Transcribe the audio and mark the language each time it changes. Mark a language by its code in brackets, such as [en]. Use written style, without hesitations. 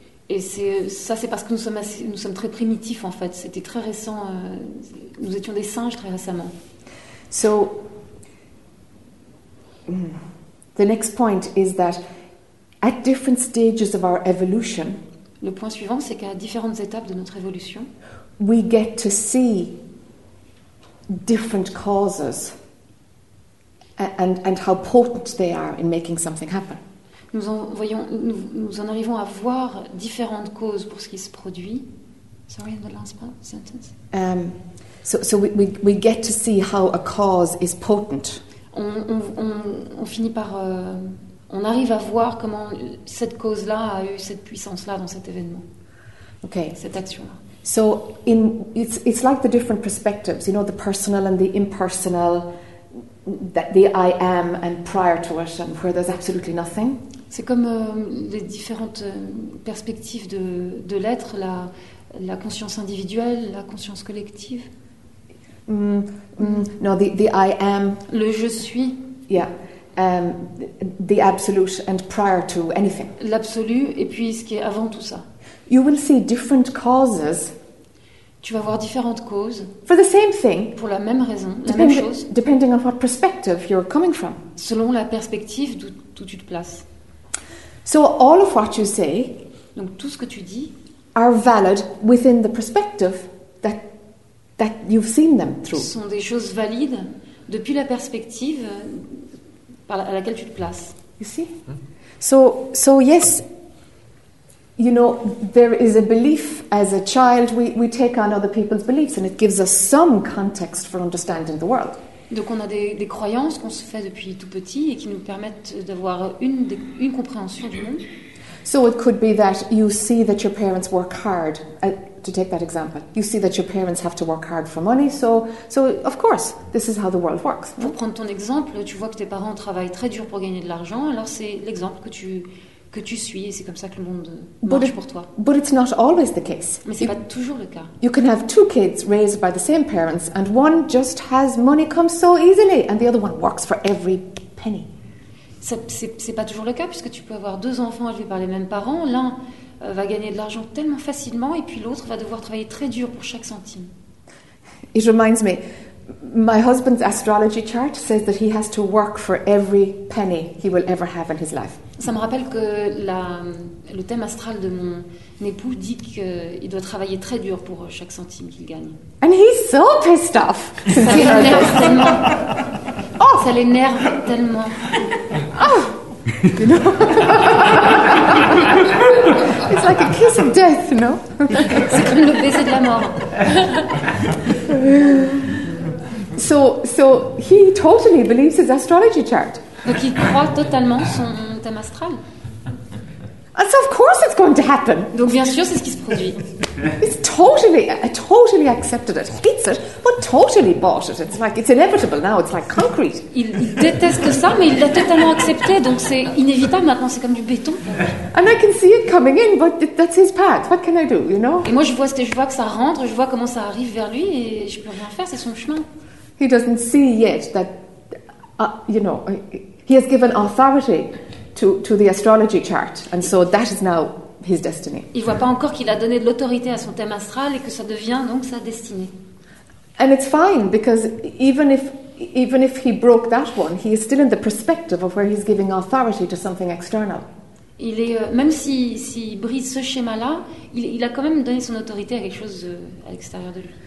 [fr] Et c'est parce que nous sommes très primitifs en fait. C'était très récent. Nous étions des singes très récemment. [en] So the next point is that at different stages of our evolution, [fr] le point suivant, c'est qu'à différentes étapes de notre évolution, [en] we get to see different causes and how potent they are in making something happen. [fr] Nous en arrivons à voir différentes causes pour ce qui se produit. [en] Sorry, the last part, sentence. So we get to see how a cause is potent. [fr] On finit par on arrive à voir comment cette cause-là a eu cette puissance-là dans cet événement. Okay. Cette action-là. [en] So it's like the different perspectives, you know, the personal and the impersonal, that the I am and prior to it and where there's absolutely nothing. [fr] C'est comme les différentes perspectives de l'être, la conscience individuelle, la conscience collective. [en] No, the I am. [fr] Le je suis. [en] Yeah. The absolute and prior to anything. [fr] L'absolu et puis ce qui est avant tout ça. [en] You will see different causes. [fr] Tu vas voir différentes causes. [en] For the same thing. [fr] Pour la même raison, la même chose. [en] Depending on what perspective you're coming from. [fr] Selon la perspective d'où tu te places. [en] So all of what you say, [fr] donc tout ce que tu dis, [en] are valid within the perspective that you've seen them through. [fr] Sont des choses valides depuis la perspective à laquelle tu te places. [en] You see? So yes, you know, there is a belief as a child, we take on other people's beliefs and it gives us some context for understanding the world. [fr] Donc on a des croyances qu'on se fait depuis tout petit et qui nous permettent d'avoir une compréhension du monde. [en] So it could be that you see that your parents work hard. To take that example, you see that your parents have to work hard for money. So of course, this is how the world works. [fr] Pour prendre ton exemple, tu vois que tes parents travaillent très dur pour gagner de l'argent. Alors c'est l'exemple que tu suis et c'est comme ça que le monde marche pour toi. [en] But it's not always the case. [fr] Mais c'est pas toujours le cas. [en] You can have two kids raised by the same parents, and one just has money come so easily, and the other one works for every penny. [fr] C'est pas toujours le cas puisque tu peux avoir deux enfants élevés par les mêmes parents. L'un va gagner de l'argent tellement facilement et puis l'autre va devoir travailler très dur pour chaque centime. [en] It reminds me, my husband's astrology chart says that he has to work for every penny he will ever have in his life. [fr] Ça me rappelle que le thème astral de mon époux dit qu'il doit travailler très dur pour chaque centime qu'il gagne. [en] And he's so pissed off. [fr] Ça l'énerve tellement. Oh, ça l'énerve tellement. [en] Oh, You know? It's like a kiss of death, you know? [fr] C'est comme le baiser de la mort. [en] So he totally believes his astrology chart. [fr] Donc il croit totalement son thème astral. [en] And so of course it's going to happen. [fr] Donc bien sûr c'est ce qui se produit. [en] He's totally accepted it, hates it, but totally bought it. It's like it's inevitable now. It's like concrete. [fr] Il déteste ça, mais il l'a totalement accepté. Donc c'est inévitable maintenant. C'est comme du béton. [en] And I can see it coming in, but that's his path. What can I do? You know. [fr] Et moi je vois que ça rentre, je vois comment ça arrive vers lui, et je peux rien faire. C'est son chemin. [en] He doesn't see yet that, you know, he has given authority to the astrology chart, and so that is now his destiny. [fr] Il voit pas encore qu'il a donné de l'autorité à son thème astral et que ça devient donc sa destinée. [en] And it's fine because even if he broke that one, he is still in the perspective of where he's giving authority to something external. [fr] Il est même si brise ce schéma-là, il a quand même donné son autorité à quelque chose à l'extérieur de lui.